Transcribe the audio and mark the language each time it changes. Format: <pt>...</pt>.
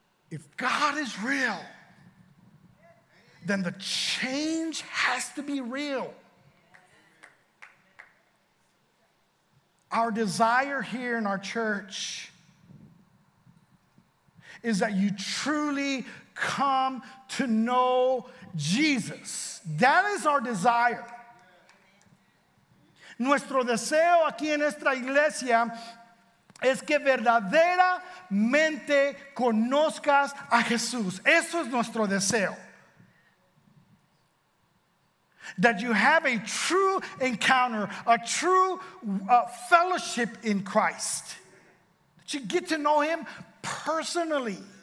<en>If God is real, then the change has to be real. Our desire here in our church is that you truly come to know Jesus. That is our desire.</en> <es>Nuestro deseo aquí en esta iglesia es que verdaderamente conozcas a Jesús. Eso es nuestro deseo.</es> <en>That you have a true encounter, a true fellowship in Christ. That you get to know him personally.</en>